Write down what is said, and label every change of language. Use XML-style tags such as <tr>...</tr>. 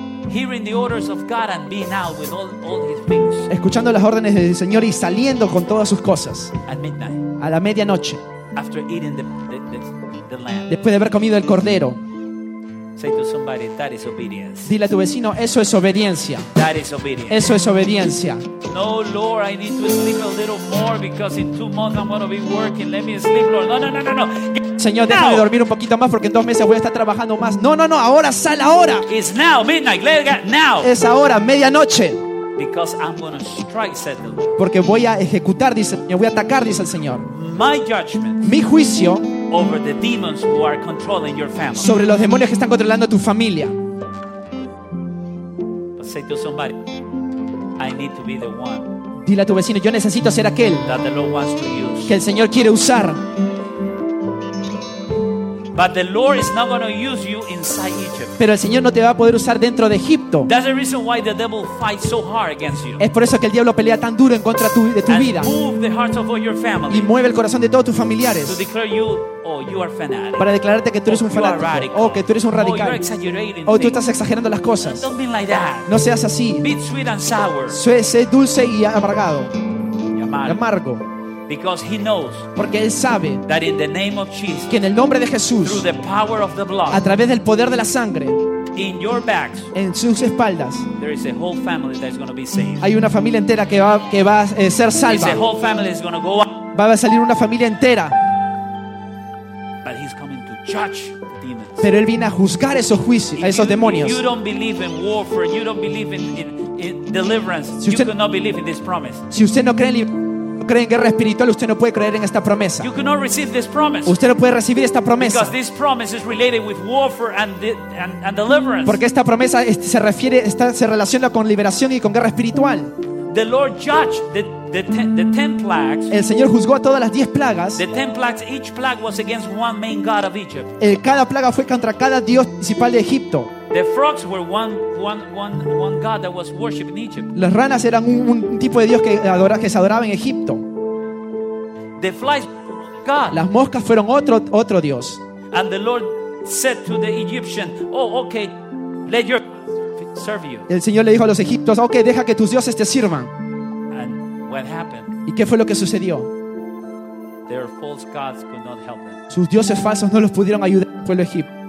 <en>Hearing the orders of God and being out with all his things.</en> <es>Escuchando las órdenes del Señor y saliendo con todas sus cosas.</es> <en>At midnight.</en> <es>A la medianoche.</es> <en>After eating the lamb.</en> <es>Después de haber comido el cordero.</es> <en>Say to somebody, that is obedience.</en> <es>Dile a tu vecino, eso es obediencia.</es> <en>That is obedience.</en> <es>Eso es obediencia.</es> <en>No, Lord, I need to sleep a little more because in 2 months I'm going to be working. Let me sleep, Lord. No.</en> <es>Señor, déjame</es> <en>now.</en> <es>Dormir un poquito más porque en 2 meses voy a estar trabajando más. No. Ahora sal ahora.</es> <en>It's now midnight. Let it go. Now.</en> <es>Es ahora medianoche.</es> <en>Because I'm going to strike, said the Lord.</en> <es>Porque voy a ejecutar, dice. Me voy a atacar, dice el Señor.</es> <en>My judgment.</en> <es>Mi juicio.</es> <en>Over the demons who are controlling your family.</en> <es>Sobre los demonios que están controlando tu familia.</es> <en>Say to somebody, I need to be the one.</en> <es>Dile a tu vecino, yo necesito ser aquel.</es> <en>That the Lord wants to use.</en> <es>Que el Señor quiere usar.</es> <en>But the Lord is not going to use you inside Egypt.</en> <es>Pero el Señor no te va a poder usar dentro de Egipto.</es> <en>That's the reason why the devil fights so hard against you.</en> <es>Es por eso que el diablo pelea tan duro en contra de tu</es> <en>and</en> <es>vida.</es> <en>Move the hearts of all your family.</en> <es>Y mueve el corazón de todos tus familiares.</es> <en>To declare you, oh, you are fanatic.</en> <es>Para declararte que tú eres un fanático. Oh, que tú eres un radical.</es> <en>Oh, you're exaggerating.</en> <es>Oh, tú estás exagerando las cosas.</es> <en>Don't be like that.</en> <es>No seas así.</es> <en>Be sweet and sour.</en> <es>Sé dulce y amargado. Amargo.</es> <en>Because he knows,</en> <es>porque él sabe,</es> <en>that in the name of Jesus,</en> <es>que en el nombre de Jesús,</es> <en>through the power of the blood,</en> <es>a través del poder de la sangre,</es> <en>in your backs,</en> <es>en sus espaldas,</es> <en>there is a whole family that is going to be saved.</en> <es>Hay una familia entera que va a ser salva.</es> <en>A whole family is going to go out.</en> <es>Va a salir una familia entera.</es> <en>But he's coming to judge the demons.</en> <es>Pero él viene a juzgar esos juicios,</es> <en>if</en> <es>a esos demonios.</es> <en>You don't believe in warfare, you don't believe in deliverance.</en> <es>Si usted,</es> <en>you cannot believe in this promise.</en> <es>Si usted no cree en creen guerra espiritual, usted no puede creer en esta promesa.</es> <en>You cannot receive this promise.</en> <es>Usted no puede recibir esta promesa.</es> <en>Because this promise is related with warfare and deliverance.</en> <es>Porque esta promesa se relaciona con liberación y con guerra espiritual.</es> <en>The Lord judged the ten plagues.</en> <es>El Señor juzgó a todas las 10 plagas.</es> <en>The 10 plagues, each plague was against one main god of Egypt.</en> <es>Cada plaga fue contra cada dios principal de Egipto.</es> <en>The frogs were one god that was worshipped in Egypt.</en> <es>Las ranas eran un tipo de dios que se adoraba en Egipto.</es> <en>The flies, god.</en> <es>Las moscas fueron otro dios.</es> <en>And the Lord said to the Egyptian, "Oh, okay, let your serve you."</en> <es>El Señor le dijo a los egipcios, "Okay, deja que tus dioses te sirvan."</es> <en>And what happened?</en> <es>¿Y qué fue lo que sucedió?</es> <en>Their false gods could not help them.</en> <es>Sus dioses falsos no los pudieron ayudar al pueblo egipcio.</es>